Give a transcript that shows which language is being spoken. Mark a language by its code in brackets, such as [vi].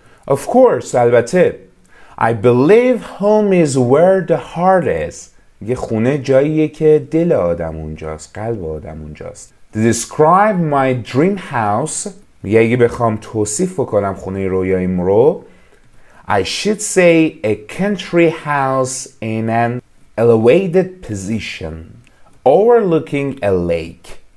[en] Of course [fa] البته. [en] I believe home is where the heart is. [fa] یه خونه جاییه که دل آدم اونجاست، قلب آدم اونجاست. [en] Describe my dream house. [fa] میگه اگه بخوام توصیف بکنم خونه رویاییم رو [en] I should say a country house in an elevated position overlooking a lake.